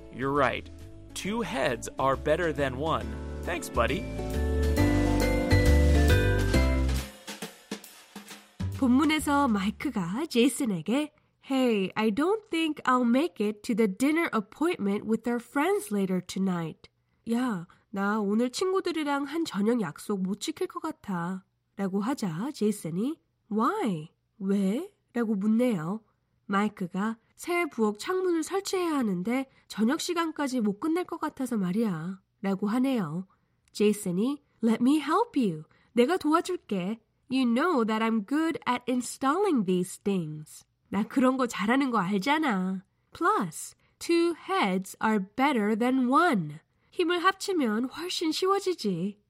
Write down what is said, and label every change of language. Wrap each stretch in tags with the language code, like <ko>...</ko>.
<en>You're right. Two heads are better than one. Thanks, buddy.</en> <ko>본문에서 마이크가 제이슨에게</ko> <en>Hey, I don't think I'll make it to the dinner appointment with our friends later tonight.</en> <ko>야, 나 오늘 친구들이랑 한 저녁 약속 못 지킬 것 같아. 라고 하자 제이슨이</ko> <en>Why?</en> <ko>왜? 라고 묻네요. 마이크가 새 부엌 창문을 설치해야 하는데 저녁 시간까지 못 끝낼 것 같아서 말이야. 라고 하네요. 제이슨이</ko> <en>Let me help you.</en> <ko>내가 도와줄게.</ko> <en>You know that I'm good at installing these things.</en> <ko>나 그런 거 잘하는 거 알잖아.</ko> <en>Plus, two heads are better than one.</en> <ko>힘을 합치면 훨씬 쉬워지지.</ko>